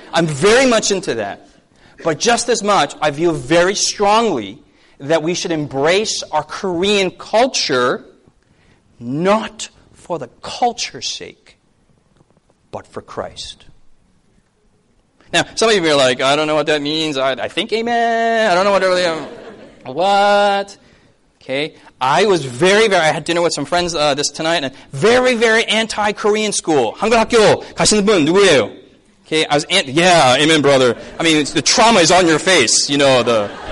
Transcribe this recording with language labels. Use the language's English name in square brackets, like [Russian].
[English] I'm very much into that. But just as much, I feel very strongly that we should embrace our Korean culture, not for the culture's sake, but for Christ. Now, some of you are like, I don't know what that means. I think amen. I don't know what really. What? Okay. I was very, very, I had dinner with some friends this tonight, and very, very anti-Korean school. [Korean] 한국학교 가시는 분 누구예요? [English] Okay. I was, yeah, amen, brother. I mean, the trauma is on your face, you know, the.